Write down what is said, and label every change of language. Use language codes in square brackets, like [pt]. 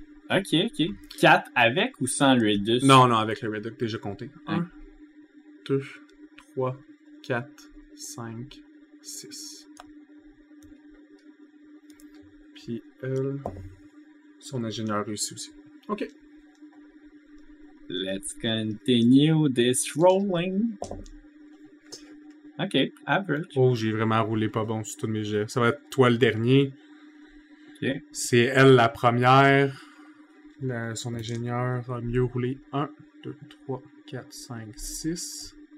[fr] Ok, ok. 4 avec ou sans le Reduce? Non, non, avec le Reduce, déjà compté. 1, 2, 3, 4, 5, 6. Puis elle. Son ingénieur réussit aussi. Ok. [en] Let's continue this rolling. Ok, average. [fr] Oh, j'ai vraiment roulé pas bon sur tous mes jets. Ça va être toi le dernier. Ok. C'est elle la première. Son ingénieur a mieux roulé. 1, 2, 3, 4, 5, 6.